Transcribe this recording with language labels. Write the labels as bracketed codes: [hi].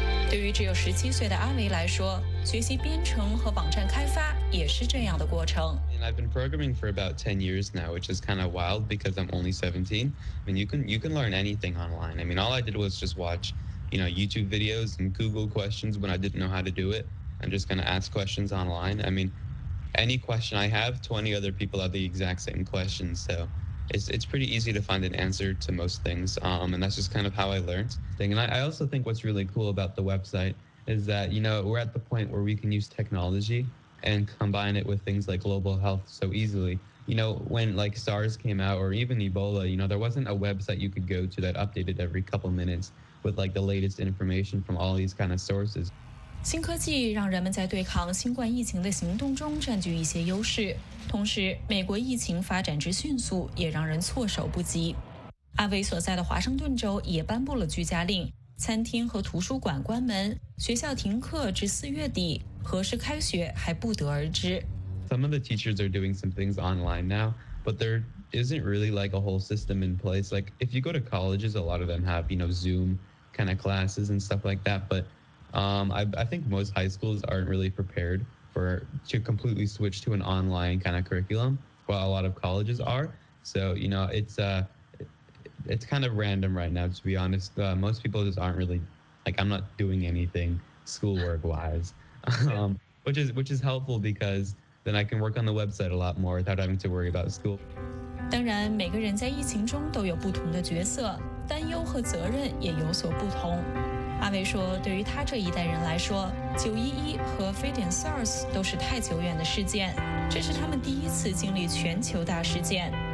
[zh] 对于只有17岁的阿维来说，学习编程和网站开发也是这样的过程。 [en] I've been programming for about 10 years now, which is kind of wild because I'm only 17. I mean, you can learn anything online. I mean, all I did was just watch, you know, YouTube videos and Google questions when I didn't know how to do it, and just kind of ask questions online. I mean, any question I have, 20 other people have the exact same question. So it's pretty easy to find an answer to most things. And that's just kind of how I learned thing. And I also think what's really cool about the website is that, you know, we're at the point where we can use technology and combine it with things like global health so easily. You know, when like SARS came out or even Ebola, you know, there wasn't a website you could go to that updated every couple minutes with like the latest information from all these kind of sources. [zh] 新科技让人们在对抗新冠疫情的行动中占据一些优势，同时美国疫情发展之迅速也让人措手不及。阿维所在的华盛顿州也颁布了居家令，餐厅和图书馆关门，学校停课至四月底，何时开学还不得而知。 [en] Some of the teachers are doing some things online now, but there isn't really like a whole system in place. Like if you go to colleges, a lot of them have, you know, Zoom kind of classes and stuff like that. But I think most high schools aren't really prepared to completely switch to an online kind of curriculum, while a lot of colleges are. So, you know, it's kind of random right now, to be honest. Most people just aren't really, like, I'm not doing anything schoolwork-wise, which is helpful because then I can work on the website a lot more without having to worry about school. [zh] 当然，每个人在疫情中都有不同的角色，担忧和责任也有所不同。阿维说，对于他这一代人来说，911和非典 SARS 都是太久远的事件，这是他们第一次经历全球大事件。